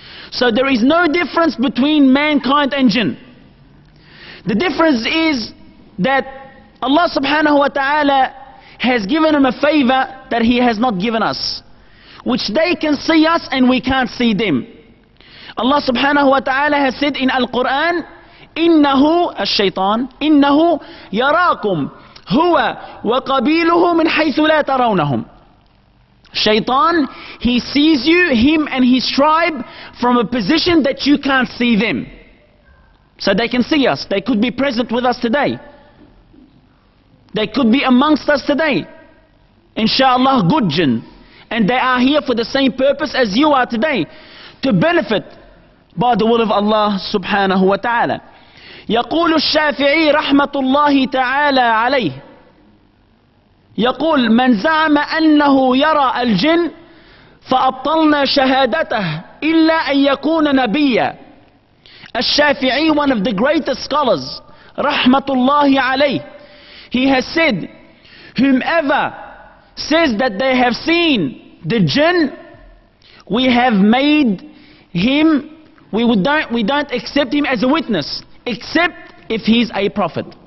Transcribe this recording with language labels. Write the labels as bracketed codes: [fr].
[en] So there is no difference between mankind and jinn. The difference is that Allah subhanahu wa ta'ala has given them a favor that He has not given us, which they can see us and we can't see them. Allah subhanahu wa ta'ala has said in Al-Quran, [ar] إِنَّهُ الشَّيْطَانِ إِنَّهُ يَرَاكُمْ هُوَ وَقَبِيلُهُ مِنْ حَيْثُ لَا تَرَوْنَهُمْ. [en] Shaitan, he sees you, him and his tribe, from a position that you can't see them. So they can see us. They could be present with us today. They could be amongst us today. Inshallah, good jinn. And they are here for the same purpose as you are today, to benefit by the will of Allah subhanahu wa ta'ala. [ar] يقول الشافعي رحمة الله تعالى عليه يقول من زعم أنه يرى الجن فأبطلنا شهادته إلا أن يكون نبيا. [en] الشافعي, one of the greatest scholars, [ar] رحمة الله عليه, [en] he has said, whomever says that they have seen the jinn, we have made him, we don't accept him as a witness, except if he's a prophet.